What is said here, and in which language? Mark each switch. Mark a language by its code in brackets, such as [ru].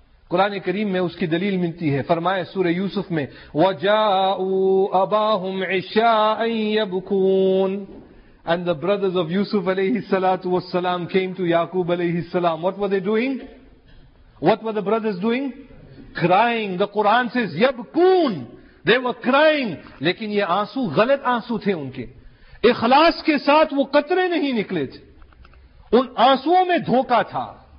[ur] قرآن کریم میں اس کی دلیل ملتی ہے فرمائے سورہ یوسف میں [ar] وَجَاءُوا أَبَاهُمْ عِشَاءً يَبْكُونَ [en] And the brothers of Yusuf alayhi salatu wassalam came to Yaqub alayhi salam. What were they doing? What were the brothers doing? Crying. The Quran says يَبْكُونَ They were crying. [ur] لیکن یہ آنسو غلط آنسو تھے ان کے اخلاص کے ساتھ وہ قطرے نہیں نکلے تھے ان آنسوں میں دھوکا تھا.